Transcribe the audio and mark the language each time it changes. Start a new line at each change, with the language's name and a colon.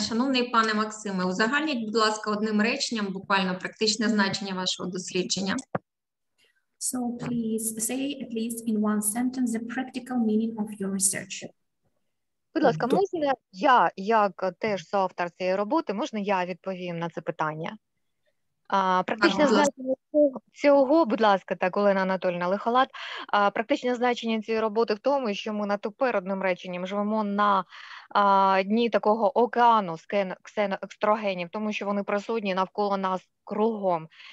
Ukrainian: Шановний пане Максиме, узагальніть, будь ласка, одним реченням буквально практичне значення вашого дослідження.
English: So please say at least in one sentence the practical meaning of your research.
Ukrainian: Будь ласка, можна я, як теж соавтор цієї роботи, можна я відповім на це питання? Практичне значення цього, будь ласка, так, Олена Анатольевна, Лихолат, практичне значення цієї роботи в тому, що ми натепер одним реченням живемо на дні такого океану з ксеноестрогенів, тому що вони присутні навколо нас кругом.